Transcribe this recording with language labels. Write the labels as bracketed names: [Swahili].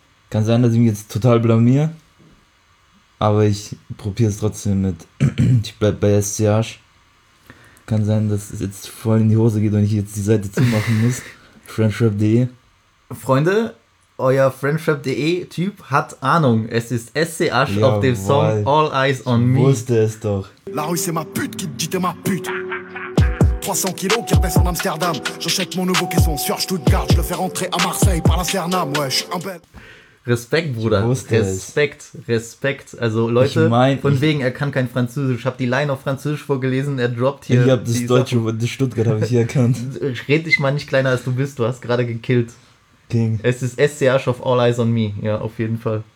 [German] Kann sein, dass ich mich jetzt total blamier, aber ich probiere es trotzdem mit. Ich bleib bei SCH. Kann sein, dass es jetzt voll in die Hose geht und ich jetzt die Seite zumachen muss. Frenchrap.de. Freunde, euer Frenchrap.de-Typ hat Ahnung. Es ist SCH auf dem Song All Eyes on Me. Ich wusste es doch. [French] La rue, c'est ma pute qui dit t'es ma pute. 300 kilos qui redescendent Amsterdam. J'achète mon nouveau caisson sur Stuttgart. Je le fais rentrer à Marseille par la Cernam. Ouais, je suis un bel. [German] Respekt, Bruder. Respekt. Also, Leute, er kann kein Französisch. Ich habe die Line auf Französisch vorgelesen. Er droppt hier. Ich habe das Deutsche, das Stuttgart habe ich hier erkannt. Red dich mal nicht kleiner als du bist. Du hast gerade gekillt. Ding. Es ist SCH of All Eyes on Me. Ja, auf jeden Fall.